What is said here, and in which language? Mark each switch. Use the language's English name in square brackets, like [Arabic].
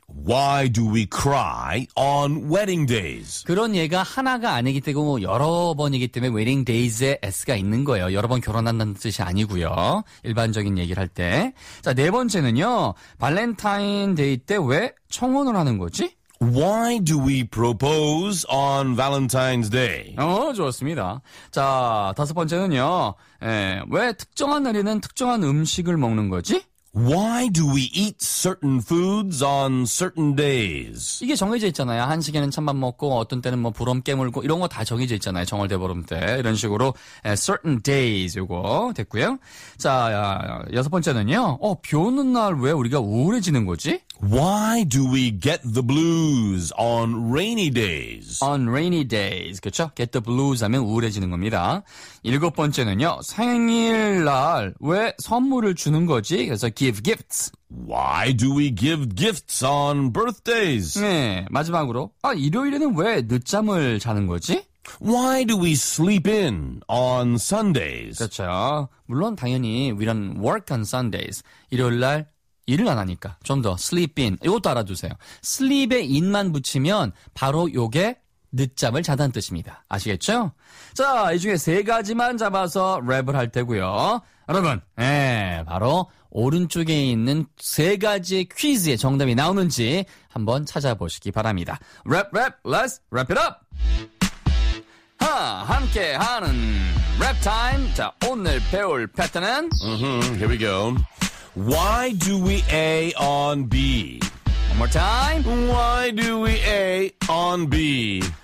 [English] Why do we cry on wedding days? [Korean] 그런 얘가 하나가 아니기 때문에 여러 번이기 때문에 wedding days에 S가 있는 거예요. 여러 번 결혼한다는 뜻이 아니고요. 일반적인 얘기를 할 때. 자, 네 번째는요. 발렌타인 데이 때 왜 청혼을 하는 거지? [English] Why do we propose on Valentine's Day? [Korean] 좋습니다. 자, 다섯 번째는요. 왜 특정한 날에는 특정한 음식을 먹는 거지? [English] Why do we eat certain foods on certain days? [Korean] 이게 정해져 있잖아요. 한식에는 찬밥 먹고 어떤 때는 뭐 부럼 깨물고 이런 거 다 정해져 있잖아요. 정월 대보름 때 이런 식으로 certain days 이거 됐고요. 자, 여섯 번째는요. 비 오는 날 왜 우리가 우울해지는 거지? [English] Why do we get the blues on rainy days? On rainy days. [Korean] 그렇죠? [English] Get the blues [Korean] 하면 우울해지는 겁니다. 일곱 번째는요. 생일날 왜 선물을 주는 거지? [English] So give gifts. Why do we give gifts on birthdays? [Korean] 네, 마지막으로. 일요일에는 왜 늦잠을 자는 거지? [English] Why do we sleep in on Sundays? [Korean] 그렇죠. 물론 당연히 [English] we don't work on Sundays. [Korean] 일요일날 일을 안 하니까. 좀 더 sleep in. 이것도 알아두세요. sleep에 in만 붙이면 바로 요게 늦잠을 자다는 뜻입니다. 아시겠죠? 자, 이 중에 세 가지만 잡아서 랩을 할 테고요. 여러분, 예, 바로 오른쪽에 있는 세 가지 퀴즈의 정답이 나오는지 한번 찾아보시기 바랍니다. [English] 랩, 랩, let's wrap it up! [Korean] 하, 함께 하는 랩 타임. 자, 오늘 배울 패턴은? [English] Here we go. Why do we A on B? One more time. Why do we A on B?